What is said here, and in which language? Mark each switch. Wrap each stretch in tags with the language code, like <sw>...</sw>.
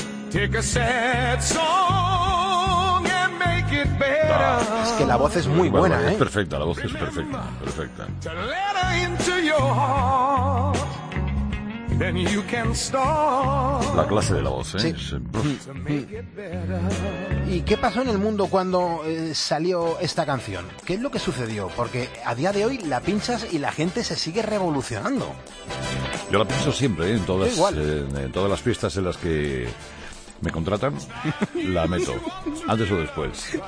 <en>Take a sad song and make it better.</en> <es>Es que la voz es muy buena, ¿eh? Es perfecta, la voz es perfecta, perfecta.</es> <en>To let her into your heart, then you can start.</en> <es>La clase de la voz, ¿eh? Sí. ¿Y qué pasó en el mundo cuando salió esta canción? ¿Qué es lo que sucedió? Porque a día de hoy la pinchas y la gente se sigue revolucionando. Yo la pincho siempre, ¿eh? En todas las fiestas en las que... ¿Me contratan? La meto. Antes o después.</es>